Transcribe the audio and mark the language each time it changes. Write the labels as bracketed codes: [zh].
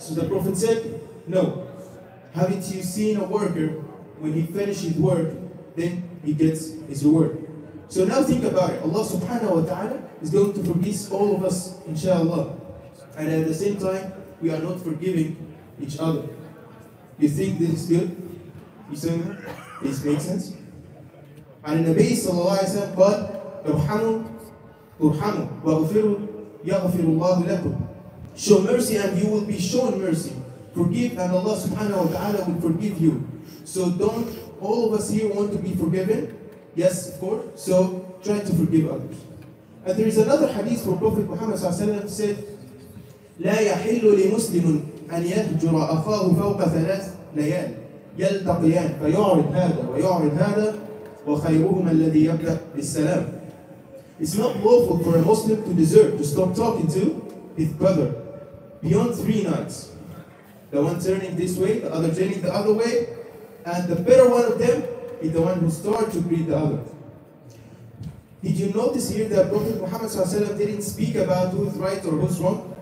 [en] So the Prophet said, no. Haven't you seen a worker when he finishes work, then he gets his reward? So now think about it. Allah subhanahu wa ta'ala is going to forgive all of us, inshallah. And at the same time, we are not forgiving each other. You think this is good? You think this makes sense? And Nabi sallallahu alayhi wa sallam, but [ar] ارحموا ارحموا واغفروا يغفر الله لكم. [en] Show mercy and you will be shown mercy. Forgive and Allah subhanahu wa ta'ala will forgive you. So don't all of us here want to be forgiven? Yes, of course. So try to forgive others. And there is another hadith from Prophet Muhammad sallallahu alayhi wa sallam said, [ar] لا يحل لمسلم أن يهجر أخاه فوق ثلاث ليال يلتقيان فيعرض هذا ويعرض هذا وخيرهما الذي يبدأ بالسلام. [en] It's not lawful for a Muslim to desert, to stop talking to his brother beyond 3 nights. The one turning this way, the other turning the other way, and the better one of them is the one who starts to greet the other. Did you notice here that Prophet Muhammad ﷺ didn't speak about who's right or who's wrong?